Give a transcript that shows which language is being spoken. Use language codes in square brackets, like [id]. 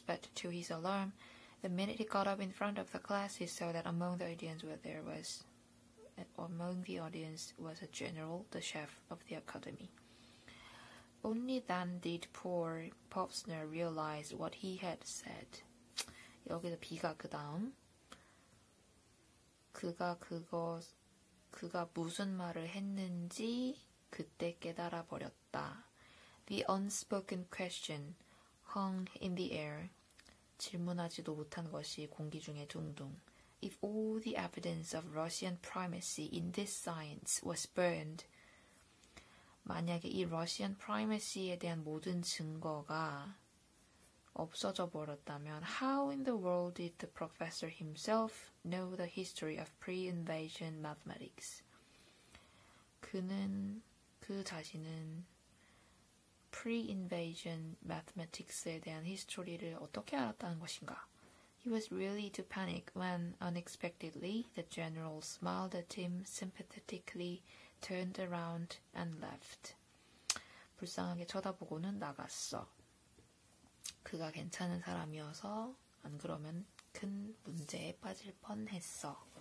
[en] But to his alarm, the minute he got up in front of the class, he saw that among the audience was a general, the chef of the academy. Only then did poor Popsner realize what he had said. [ko] 여기서 비가 그 다음 그가 무슨 말을 했는지 그때 깨달아 버렸다. [en] The unspoken question hung in the air. [ko] 질문하지도 못한 것이 공기 중에 둥둥. [en] If all the evidence of Russian primacy in this science was burned, [ko] 만약에 이 Russian primacy에 대한 모든 증거가 없어져 버렸다면, [en] how in the world did the professor himself know the history of pre-invasion mathematics? [ko] 그 자신은 pre-invasion mathematics에 대한 히스토리를 어떻게 알았다는 것인가? [en] He was really to panic when, unexpectedly, the general smiled at him sympathetically, turned around and left. [ko] 불쌍하게 쳐다보고는 나갔어. 그가 괜찮은 사람이어서 안 그러면 큰 문제에 빠질 뻔했어.